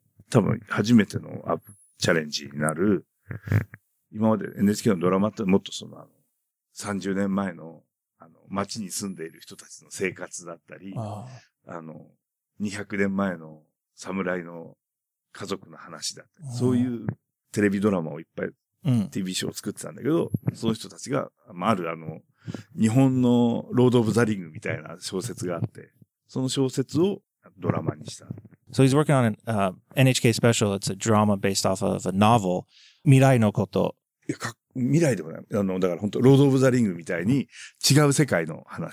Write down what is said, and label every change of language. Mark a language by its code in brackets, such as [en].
[ja] 多分、初めてのアップチャレンジになる。今まで NHK のドラマってもっとその、あの、30年前の、あの、街に住んでいる人たちの生活だったり、あの、200年前の侍の家族の話だったり、そういうテレビドラマをいっぱい、TV ショーを作ってたんだけど、その人たちが、あるあの、日本のロード・オブ・ザ・リングみたいな小説があって、その小説をドラマにした。 [en] So he's working on an, NHK special. It's a drama based off of a novel. [ja] 未来のこと。いや、未来でもない。あの、だから本当、ロード・オブ・ザ・リングみたいに違う世界の話。